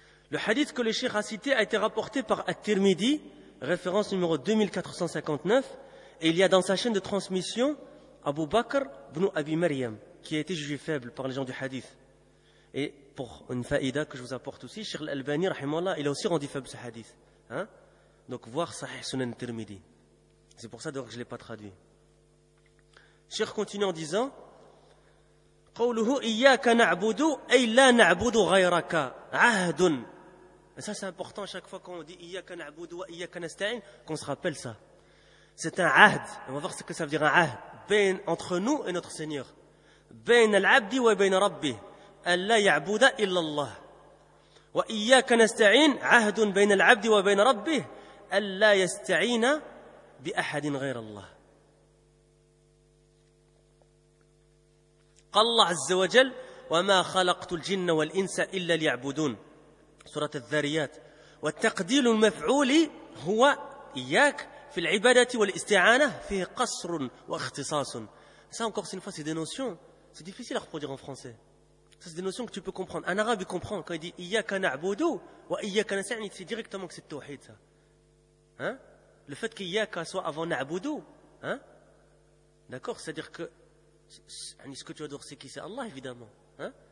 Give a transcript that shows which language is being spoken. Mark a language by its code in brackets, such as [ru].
[fr] Le hadith que le cheikh a cité a été rapporté par At-Tirmidhi, référence numéro 2459, et il y a dans sa chaîne de transmission Abu Bakr ibn Abi Maryam, qui a été jugé faible par les gens du hadith. Et pour une faïda que je vous apporte aussi, Cheikh Al-Albani, rahimallah, il a aussi rendu faible ce hadith. Hein? Donc, voir Sahih Sunan Tirmidhi. C'est pour ça que je ne l'ai pas traduit. Cheikh continue en disant [ar] قوله إياك نعبد أي لا نعبد غيرك عهد. [fr] Et ça, c'est important à chaque fois qu'on dit [ar] إياك نعبد وإياك نستعين, [fr] qu'on se rappelle ça. C'est un عهد. On va voir ce que ça veut dire un عهد. بين, entre nous et notre Seigneur. [ar] بين العبد وبين ربه ألا يعبد إلا الله وإياك نستعين عهد بين العبد وبين ربه ألا يستعين بأحد غير الله. قال الله عز وجل وما خلقت الجن والإنس إلا ليعبدون سورة الذاريات. والتقدير المفعول هو إياك في العبادة والاستعانة فيه قصر واختصاص. [fr] ça encore une fois, c'est des notions, c'est difficile à reproduire en français. Ça, c'est des notions que tu peux comprendre. Un arabe, il comprend quand il dit [ar] إياك نعبد وإياك نستعين, [fr] c'est directement que c'est التوحيد, ça. Hein? Le fait que Yaka soit avant Na'boudou, hein? D'accord? C'est-à-dire que ce que tu adores, c'est qui? C'est Allah, évidemment. Hein?